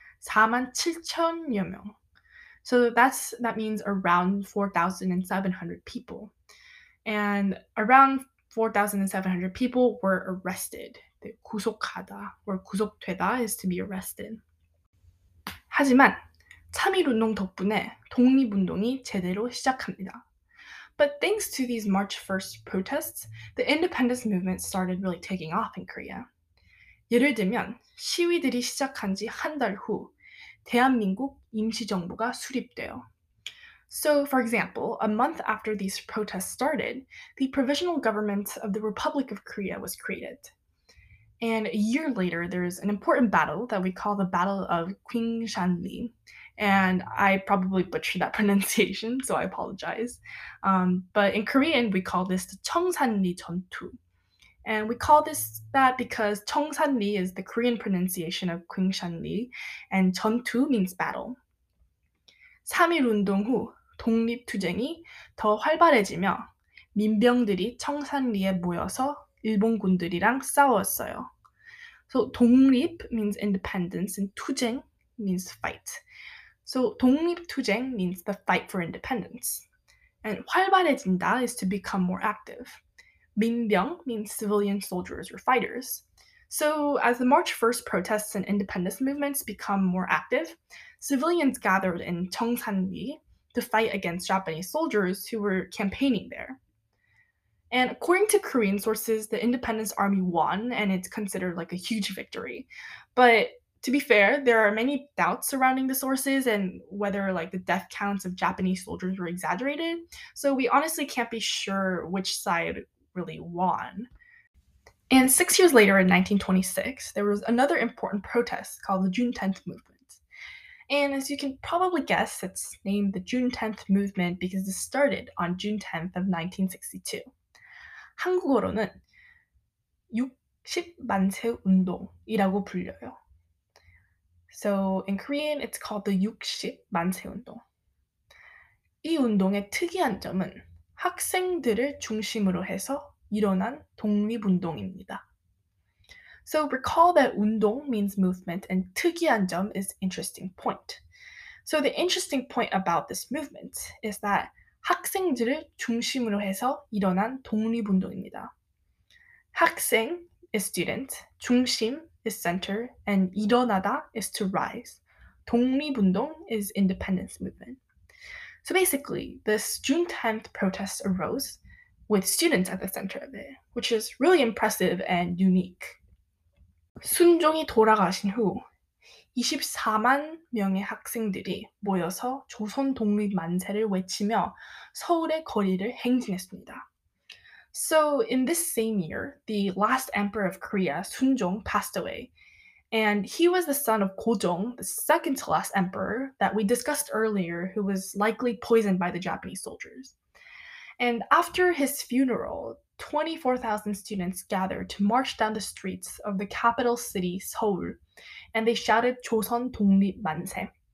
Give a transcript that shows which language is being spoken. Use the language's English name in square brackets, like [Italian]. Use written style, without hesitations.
[Korean] 4만 7천여 명. [English] So, that means around 4,700 people. And around 4,700 people were arrested. 구속하다 or 구속되다 is to be arrested. [Korean] 하지만 3.1운동 덕분에 독립운동이 제대로 시작합니다. [English] But thanks to these March 1st protests, the independence movement started really taking off in Korea. [Korean] 예를 들면 시위들이 시작한 지 한 달 후 대한민국 임시정부가 수립되어 [English] So, for example, a month after these protests started, the Provisional Government of the Republic of Korea was created. And a year later, there's an important battle that we call the Battle of Gwinghwanli. And I probably butchered that pronunciation, so I apologize. But in Korean, we call this the Cheongsanri Jeongtu. And we call this that because Cheongsanri is the Korean pronunciation of Gwinghwanli, and Jeongtu means battle. [Korean] 3.1운동 후 독립투쟁이 더 활발해지며 민병들이 청산리에 모여서 일본군들이랑 싸웠어요. [English] So 독립 means independence and 투쟁 means fight. So 독립투쟁 means the fight for independence. And 활발해진다 is to become more active. 민병 means civilian soldiers or fighters. So as the March 1st protests and independence movements become more active, civilians gathered in Cheongsanri to fight against Japanese soldiers who were campaigning there. And according to Korean sources, the independence army won and it's considered like a huge victory. But to be fair, there are many doubts surrounding the sources and whether like the death counts of Japanese soldiers were exaggerated. So we honestly can't be sure which side really won. And 6 years later in 1926, there was another important protest called the June 10th Movement. And as you can probably guess, it's named the June 10th Movement because it started on June 10th of 1962. [Korean] 한국어로는 60만세 운동이라고 불려요. [English] So in Korean, it's called the 60만세 운동. [Korean] 이 운동의 특이한 점은 학생들을 중심으로 해서 일어난 독립운동입니다. [English] So recall that 운동 means movement and 특이한 점 is interesting point. So the interesting point about this movement is that [Korean] 학생들을 중심으로 해서 일어난 독립운동입니다. [English] 학생 is student, 중심 is center, and 일어나다 is to rise. 독립운동 is independence movement. So basically, this June 10th protest arose with students at the center of it, which is really impressive and unique. [Korean] 순종이 돌아가신 후 24만 명의 학생들이 모여서 조선 독립 만세를 외치며 서울의 거리를 행진했습니다. [English] So in this same year, the last emperor of Korea, Sunjong, passed away. And he was the son of Gojong, the second to last emperor that we discussed earlier, who was likely poisoned by the Japanese soldiers. And after his funeral, 24,000 students gathered to march down the streets of the capital city, Seoul, and they shouted [Korean] 조선 독립 만세.